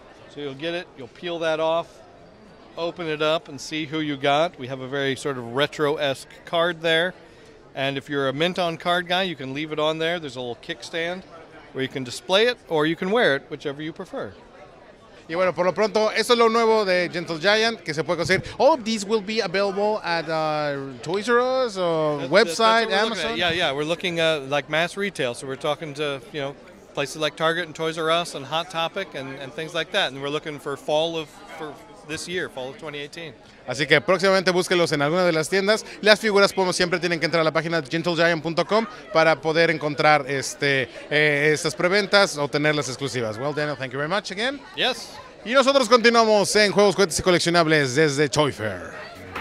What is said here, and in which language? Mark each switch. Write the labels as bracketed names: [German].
[English] So you'll get it, you'll peel that off, open it up and see who you got. We have a very sort of retro-esque card there. And if you're a mint on card guy, you can leave it on there. There's a little kickstand where you can display it or you can wear it, whichever you prefer. [Spanish] Y bueno, por lo pronto, eso es lo nuevo de Gentle Giant, que se puede conseguir. [English] All of these will be available at Toys R Us, website, Amazon. Yeah, we're looking at like mass retail. So we're talking to, you know, places like Target and Toys R Us and Hot Topic and things like that. And we're looking for fall of 2018. [Spanish] Así que próximamente búsquelos en alguna de las tiendas. Las figuras, como siempre, tienen que entrar a la página gentlegiant.com para poder encontrar estas preventas o tenerlas exclusivas. [English] Well, Daniel, thank you very much again. Yes. [Spanish] Y nosotros continuamos en Juegos, Juguetes y Coleccionables desde Toy Fair.